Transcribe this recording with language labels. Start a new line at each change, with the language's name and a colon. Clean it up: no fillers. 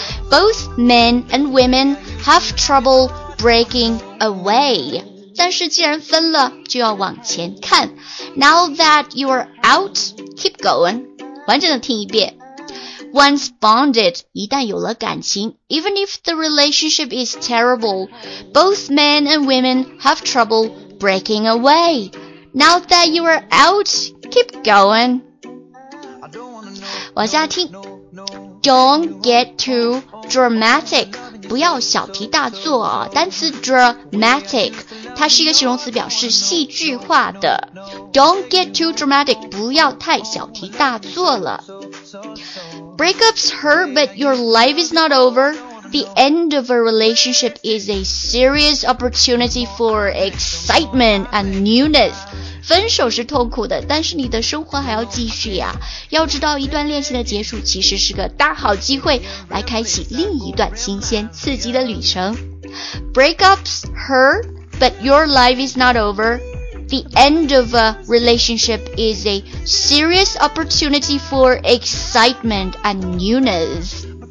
English: Both men and women have trouble breaking away.
Chinese: 但是既然分了，就要往前看。
English: Now that you're out, keep going.
Chinese: 完整的听一遍。
English: Once bonded,
Chinese: 一旦有了感情,
English: even if the relationship is terrible, both men and women have trouble breaking away. Now that you're out, keep going.
Chinese: 往下听。
English: Don't get too dramatic.
Chinese: 不要小题大做啊。单词 dramatic, 它是一个形容词，表示戏剧化的。
English: Don't get too dramatic.
Chinese: 不要太小题大做了。
English: Breakups hurt, but your life is not over. The end of a relationship is a serious opportunity for excitement and newness.
Chinese: 分手是痛苦的，但是你的生活还要继续呀。要知道，一段恋情的结束其实是个大好机会，来开启另一段新鲜刺激的旅程。
English: Breakups hurt, but your life is not over. The end of a relationship is a serious opportunity for excitement and newness.